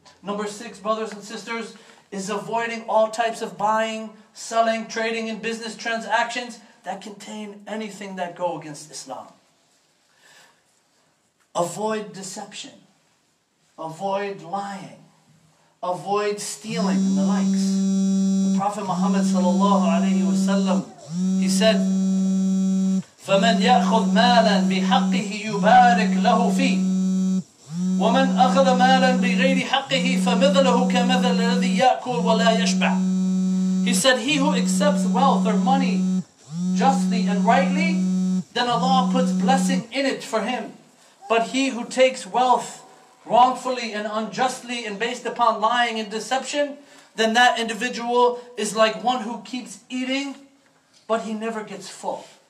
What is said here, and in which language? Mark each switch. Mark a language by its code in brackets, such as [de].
[en] Number six, brothers and sisters, is avoiding all types of buying, selling, trading, and business transactions that contain anything that go against Islam. Avoid deception. Avoid lying. Avoid stealing and the likes. The Prophet Muhammad sallallahu alayhi wa sallam, he said, [ar] فَمَنْ يَأْخُذْ مَالًا بِحَقِّهِ يُبَارِكْ لَهُ فِيهِ وَمَنْ أَخَذَ مَالًا بِغَيْرِ حَقِّهِ فَمِذَلَهُ كَمَذَلَ الَّذِي يَأْكُلْ وَلَا يَشْبَعْ. [en] He said, he who accepts wealth or money justly and rightly, then Allah puts blessing in it for him. But he who takes wealth wrongfully and unjustly and based upon lying and deception, then that individual is like one who keeps eating, but he never gets full.